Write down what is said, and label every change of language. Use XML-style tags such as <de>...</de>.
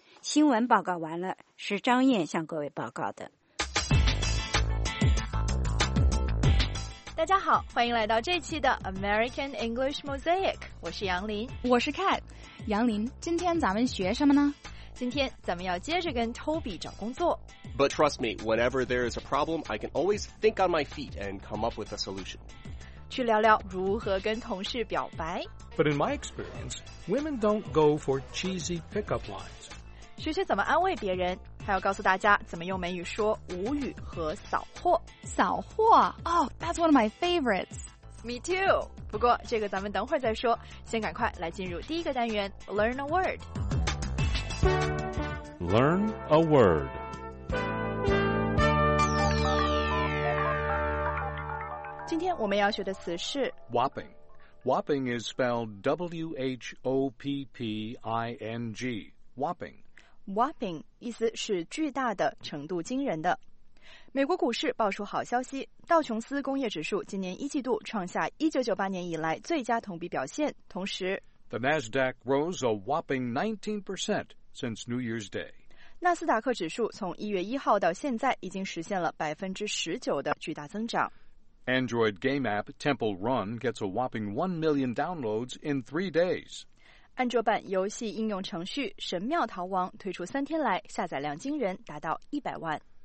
<zh>新闻报告完了，是张燕向各位报告的。大家好，欢迎来到这期的 American English Mosaic， 我是杨林。我是 Kat。杨林，今天咱们学什么呢？今天咱们要接着跟 Toby 找工作。</zh> <en>But trust me, whenever there is a problem, I can always think on my feet and come up with a solution.</en> <zh>去聊聊如何跟同事表白。</zh> <en>But in my experience, women don't go for cheesy pickup lines.</en> <zh>学学怎么安慰别人，还要告诉大家怎么用美语说无语和扫货。</zh> <en>扫货？Oh, that's one of my favorites. Me too.</en> <zh>不过这个咱们等会儿再说，先赶快来进入第一个单元 Learn a Word。</zh> <en>Learn a word.</en> <zh>今天我们要学的词是</zh> <en>whopping. Whopping is spelled W-H-O-P-P-I-N-G. Whopping.</en> <zh>Whopping 意思是巨大的，程度惊人的。美国股市爆出好消息，道琼斯工业指数今年一季度创下1998年以来最佳同比表现，同时</zh> <en>The Nasdaq rose a whopping 19% since New Year's Day.</en> <zh>纳斯达克指数从1月1号到现在已经实现了 19% 的巨大增长。</zh> <en>Android game app Temple Run gets a whopping 1 million downloads in 3 days.</en> <zh>安卓版游戏应用程序《神庙逃亡》推出3天来，下载量惊人，达到100万。</zh>